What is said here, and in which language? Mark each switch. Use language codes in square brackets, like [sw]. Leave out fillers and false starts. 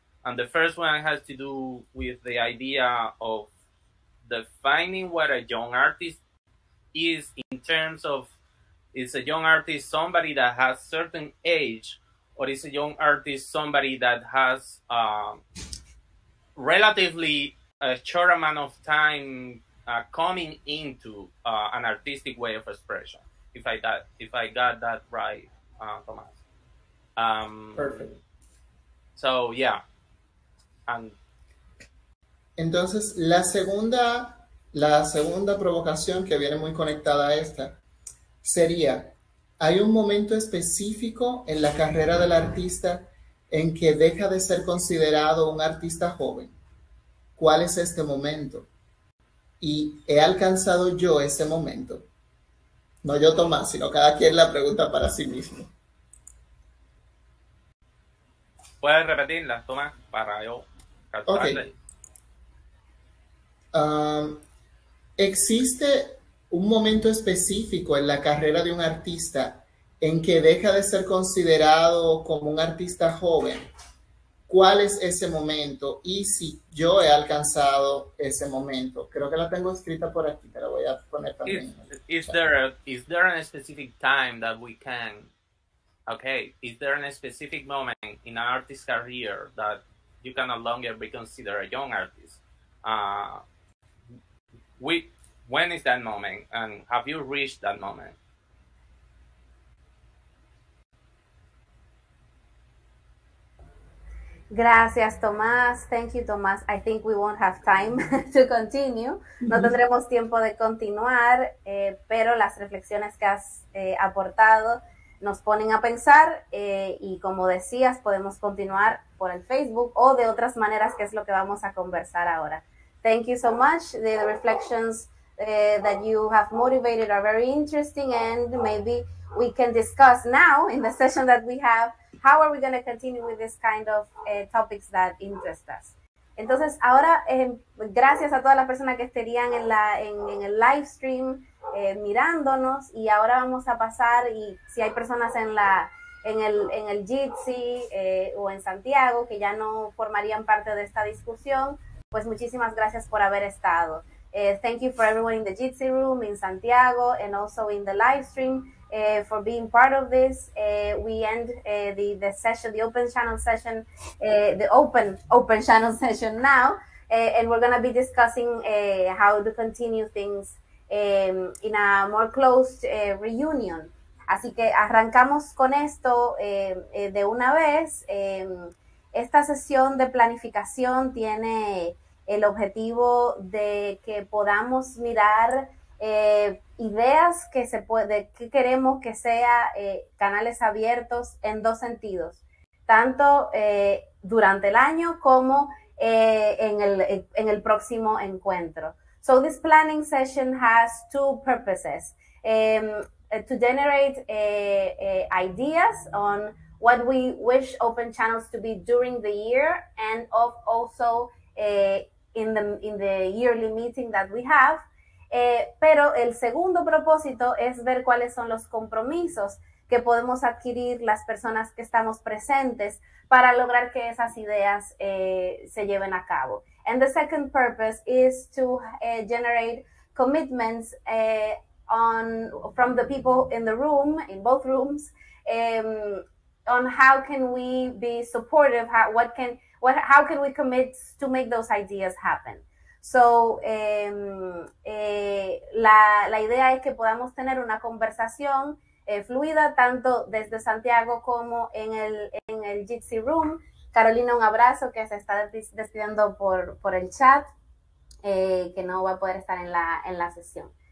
[en] And the first one has to do with the idea of defining what a young artist is in terms of, is a young artist somebody that has certain age, or is a young artist somebody that has relatively a short amount of time coming into an artistic way of expression, if I got that right, Tomás. Perfect. So, yeah. [es] Entonces, la segunda provocación que viene muy conectada a esta sería, ¿hay un momento específico en la carrera del artista en que deja de ser considerado un artista joven? ¿Cuál es este momento? ¿Y he alcanzado yo ese momento? No yo, Tomás, sino cada quien la pregunta para sí mismo. ¿Puedes repetirla, Tomás, para yo captarle? Okay. ¿Existe un momento específico en la carrera de un artista en que deja de ser considerado como un artista joven? ¿Cuál es ese momento? ¿Y si yo he alcanzado ese momento? Creo que la tengo escrita por aquí, pero voy a poner también. [en] Is there a specific time that we can... Okay, is there a specific moment in an artist's career that you can no longer be considered a young artist? When is that moment, and have you reached that moment? [es] Gracias, [en] Tomás. Thank you, Tomás. I think we won't have time to continue. [es] No tendremos tiempo de continuar, pero las reflexiones que has aportado nos ponen a pensar, y como decías, podemos continuar por el Facebook o de otras maneras, que es lo que vamos a conversar ahora. [en] Thank you so much. The reflections that you have motivated are very interesting, and maybe we can discuss now in the session that we have, how are we going to continue with this kind of topics that interest us. [es] Entonces, ahora, gracias a todas las personas que estarían en el live stream mirándonos, y ahora vamos a pasar, y si hay personas en el Jitsi o en Santiago que ya no formarían parte de esta discusión, pues muchísimas gracias por haber estado. [en] Thank you for everyone in the Jitsi room in Santiago and also in the live stream for being part of this. We end the session, the open channel session, the open channel session now, and we're going to be discussing how to continue things in a more closed reunion. [es] Así que arrancamos con esto de una vez. Esta sesión de planificación tiene el objetivo de que podamos mirar ideas que se puede, que queremos que sea Canales Abiertos en dos sentidos, tanto durante el año como en el próximo encuentro. [en] So this planning session has two purposes, to generate ideas on what we wish open channels to be during the year, and of also in the yearly meeting that we have. [es] Pero el segundo propósito es ver cuáles son los compromisos que podemos adquirir las personas que estamos presentes para lograr que esas ideas se lleven a cabo. [en] And the second purpose is to generate commitments from the people in the room, in both rooms, on how can we be supportive, how can we commit to make those ideas happen. [es] So, la idea es que podamos tener una conversación fluida, tanto desde Santiago como en el Gypsy Room. Carolina, un abrazo, que se está despidiendo por el chat, que no va a poder estar en la sesión.